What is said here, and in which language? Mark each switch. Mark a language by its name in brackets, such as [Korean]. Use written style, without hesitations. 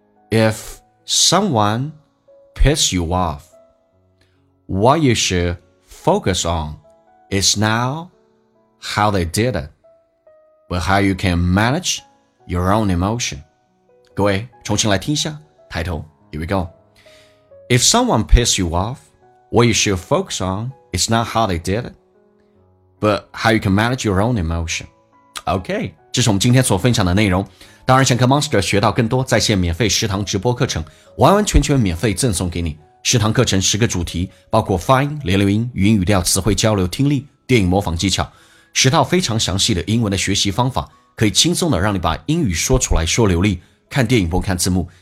[English] If someone piss you off, what you should focus on is not how they did it, but how you can manage your own emotion. [Chinese] 各位，重新来听一下，抬头。 [English] Here we go. If someone piss you off, what you should focus on is not how they did it, but how you can manage your own emotion. [Chinese] Okay, 这是我们今天所分享的内容。当然想跟 Monster 学到更多在线免费十堂直播课程，完完全全免费赠送给你。十堂课程十个主题，包括发音、连流音、语音语调、词汇交流、听力、电影模仿技巧，十套非常详细的英文的学习方法，可以轻松的让你把英语说出来说流利，看电影不用看字幕。